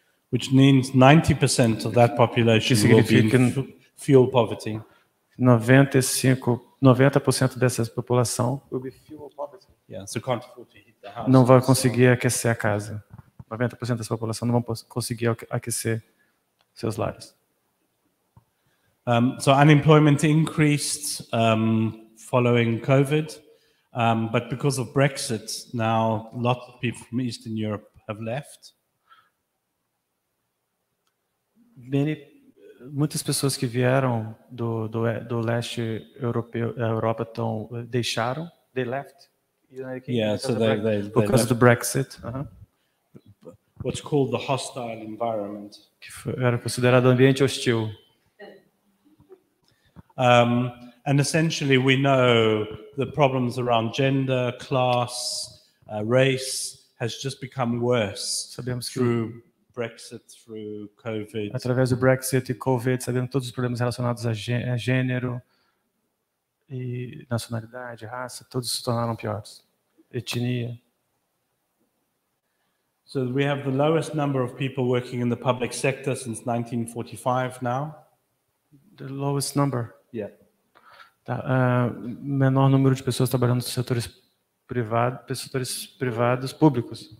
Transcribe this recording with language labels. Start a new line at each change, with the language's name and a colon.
English: Which means 90% of that population will be in fuel poverty.
Portuguese: 90% dessa população
English: will be fuel poverty. Yeah, so can't afford to heat the house.
Portuguese: Não vai conseguir aquecer a casa. 90% dessa população não vão conseguir aquecer seus lares.
English: So unemployment increased following COVID. But because of Brexit, now lots of people from Eastern Europe have left.
Portuguese: Muitas pessoas que vieram do leste europeu, da Europa, deixaram.
English: They left. Because left. Of the Brexit. Uh-huh. What's called the hostile environment.
Portuguese: Que era considerado ambiente hostil.
English: And essentially, we know the problems around gender, class, race has just become worse.
Portuguese: Sabemos
English: through
Portuguese: que
English: Brexit, through COVID.
Portuguese: Através do Brexit e COVID, sabemos todos os problemas relacionados a gênero e nacionalidade, raça, todos se tornaram piores. Etnia.
English: So we have the lowest number of people working in the public sector since 1945 now. The lowest number? Yeah.
Portuguese: Tá. Menor número de pessoas trabalhando nos setores privados, setores privados públicos.